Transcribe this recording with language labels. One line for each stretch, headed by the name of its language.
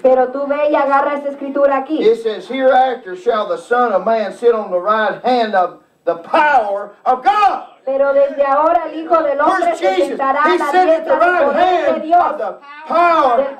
Spanish: Pero tú ve y agarra esa escritura aquí.
English: It says, hereafter shall the Son of Man sit on the right hand of the power of God.
Spanish: Pero desde ahora el Hijo del Hombre se sentará a la diestra del poder de Dios.